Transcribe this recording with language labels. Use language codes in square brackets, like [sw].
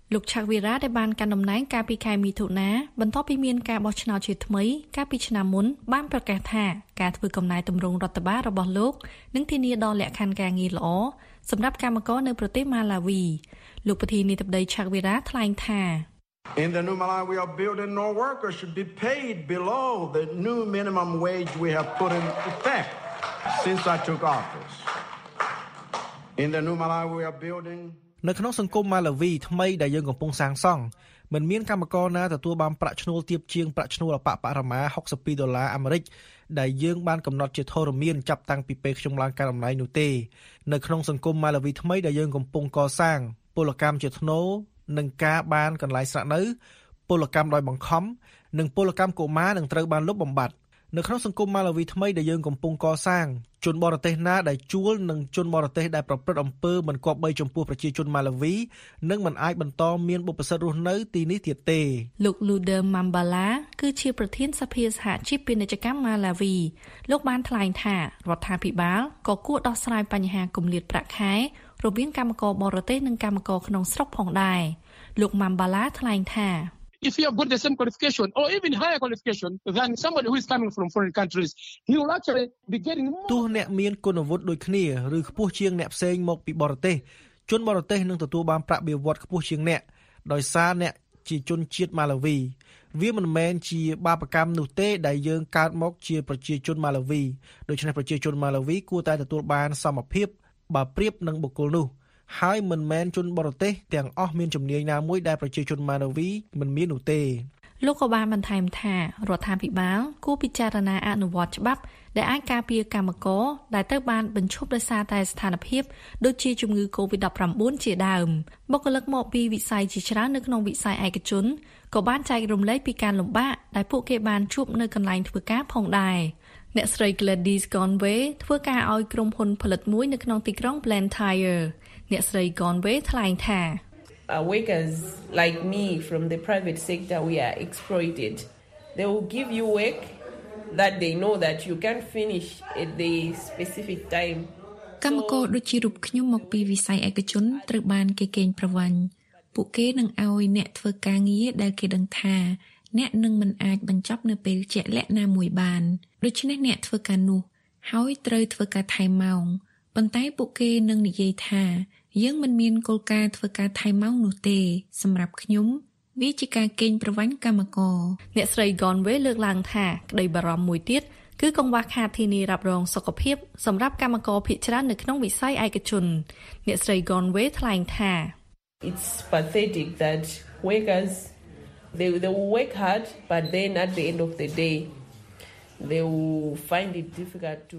[km] លោកឆាក់វីរ៉ាដែលបានកាន់តំណែងកាលពីខែមិថុនាបន្ទាប់ពីមានការបោះឆ្នោតជាថ្មីកាលពីឆ្នាំមុនបានប្រកាសថាការធ្វើកំណែទម្រង់រដ្ឋបាលរបស់លោកនឹងធានាដល់លក្ខខណ្ឌការងារល្អសម្រាប់កម្មករនៅប្រទេសម៉ាឡាវីលោកប្រធាននាយកដ្ឋានឆាក់វីរ៉ាថ្លែងថា [en] In the new Malawi, we are building more workers should be paid below the new minimum wage we have put in effect since I took office. In the new Malawi, we are building. [km] នៅក្នុងសង្គមម៉ាឡាវីថ្មីដែលយើងកំពុងសាងសង់មិនមានកម្មករណាទទួលបានប្រាក់ឈ្នួលទាបជាងប្រាក់ឈ្នួលអបបរមា62ដុល្លារអាមេរិកដែលយើងបានកំណត់ជាធរមានចាប់តាំងពីពេលខ្ញុំឡើងកាន់តំណែងនោះទេ។នៅក្នុងសង្គមម៉ាឡាវីថ្មីដែលយើងកំពុងកសាងពលកម្មជាថ្នូរនឹងការបានកន្លែងស្នាក់នៅ ពលកម្មដោយបង្ខំនិងពលកម្មកុមារនឹងត្រូវបានលុបបំបាត់នៅក្នុងសង្គមម៉ាឡាវីថ្មីដែលយើងកំពុងកសាងជនបរទេសណាដែលជួលនិងជនបរទេសដែលប្រព្រឹត្តអំពើមិនគប្បីចំពោះប្រជាជនម៉ាឡាវីនឹងមិនអាចបន្តមានបុព្វសិទ្ធិរស់នៅទីនេះទៀតទេ លោកលូដឺមាំបាឡាគឺជាប្រធានសភាសហជីពពាណិជ្ជកម្មម៉ាឡាវីលោកបានថ្លែងថារដ្ឋាភិបាលក៏គួរដោះស្រាយបញ្ហាគម្លាតប្រាក់ខែរវាងកម្មករបរទេសនិងកម្មករក្នុងស្រុកផងដែរលោកម៉ាំបាឡាថ្លែងថា [en] If you have good decent qualification or even higher qualification than somebody who is coming from foreign countries he will actually be getting more [km] ទោះអ្នកមានគុណវុឌ្ឍិដូចគ្នាឬខ្ពស់ជាងអ្នកផ្សេងមកពីបរទេសជនបរទេសនឹងទទួលបានប្រាក់បៀវត្សខ្ពស់ជាងអ្នកដោយសារអ្នកជាជនជាតិម៉ាឡាវីវាមិនមែនជាបាបកម្មនោះទេដែលយើងកើតមកជាប្រជាជនម៉ាឡាវីដូច្នេះប្រជាជនម៉ាឡាវីគួរតែទទួលបានសមភាពបើប្រៀបនឹងបុគ្គលនោះហើយមិនមែនជនបរទេសទាំងអស់មានជំនាញណាមួយដែលប្រជាជនម៉ាឡាវីមិនមាននោះទេ លោកក៏បានបន្ថែមថារដ្ឋាភិបាលគួរពិចារណាអនុវត្តច្បាប់ដែលអាចការពារកម្មករដែលត្រូវបានបញ្ឈប់ដោយសារតែស្ថានភាពដូចជាជំងឺ COVID-19 ជាដើមបុគ្គលិកមកពីវិស័យជាច្រើននៅក្នុងវិស័យឯកជនក៏បានចែករំលែកពីការលំបាកដែលពួកគេបានជួបនៅកន្លែងធ្វើការផងដែរអ្នកស្រី Gladys Conway ធ្វើការឲ្យក្រុមហ៊ុនផលិតមួយនៅក្នុងទីក្រុង Blantyre អ្នកស្រី Conway ថ្លែងថា [en] Workers like me from the private sector we are exploited. They will give you work that they know that you can't finish at the specific time. [km] កម្មករដូចជារូបខ្ញុំមកពីវិស័យឯកជនត្រូវបានគេកេងប្រវ័ញ្ចពួកគេនឹងឲ្យអ្នកធ្វើការងារដែលគេដឹងថាអ្នកនឹងមិនអាចបញ្ចប់នៅពេលជាក់លាក់ណាមួយបានដូច្នេះអ្នកធ្វើការនោះហើយត្រូវធ្វើការថែមម៉ោងប៉ុន្តែពួកគេនឹងនិយាយថាយើងមិនមានគោលការណ៍ធ្វើការថែមម៉ោងនោះទេសម្រាប់ខ្ញុំវាជាការកេងប្រវ័ញ្ចកម្មករ អ្នកស្រី Gonway លើកឡើងថាក្តីបារម្ភមួយទៀតគឺកង្វះខាតធានារ៉ាប់រងសុខភាពសម្រាប់កម្មករភាគច្រើននៅក្នុងវិស័យឯកជនអ្នកស្រី Gonway ថ្លែងថា [en] It's pathetic that workersthey will work hard but then at the end of the day they will find it difficult to